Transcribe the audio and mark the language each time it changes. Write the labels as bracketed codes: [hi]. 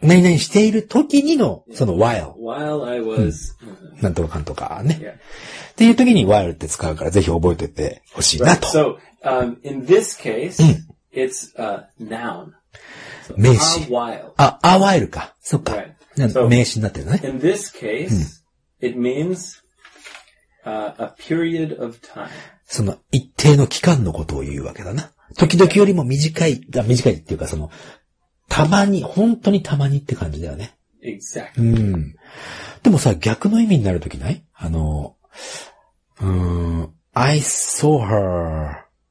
[ja] 何々しているときにの、その while。 [en] while I was、 [ja] うん。なんとかかんとかね。 [en] Yeah. [ja] っていう時に while って使うからぜひ覚えておいてほしいなと。 [en] Right. So, in this case,、 [ja] うん、 [en] it's a noun. So, [ja] 名詞。 [en] a while. [ja] あ、a while か。そっか。 [en] Right. [ja] So, 名詞になってるね。 [en] In this case,、うん、it means、a period of time. [ja] その一定の期間のことを言うわけだな。時々よりも短い、短いっていうかその、たまに、本当にたまにって感じだよね。 [en] Exactly. [ja] うん。でもさ、逆の意味になるときない？ [en] あの、I saw her.